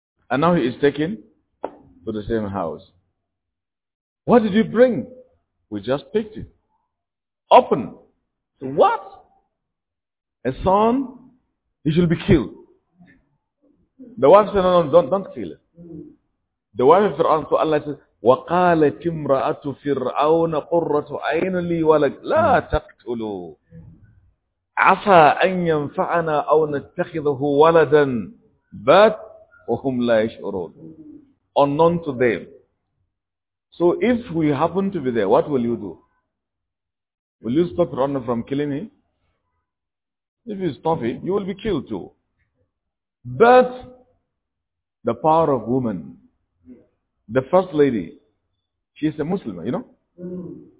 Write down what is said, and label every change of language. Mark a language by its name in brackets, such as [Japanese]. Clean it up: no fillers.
[English] And now he is taken to the same house. What did you bring? We just picked it. Open. So what? A son? He should be killed. The wife said, no, don't kill it. The wife of Fir'aun, so Allah says, [Arabic] وَقَالَتِ امْرَأَةُ فِرْعَوْنَ قُرَّةُ عَيْنٍ لِي وَلَكَ لَا تَقْتُلُوا عَسَىٰ أَنْ يَنْفَعَنَا أَوْ نَتَّخِذَهُ وَلَدًا بَتْ وَهُمْ لَا يَشْعُرُونَ. [English] Unknown to them. So if we happen to be there, what will you do? Will you stop Ron from killing him? If you stop him, you will be killed too. But the power of woman, the first lady, she is a Muslim, you know?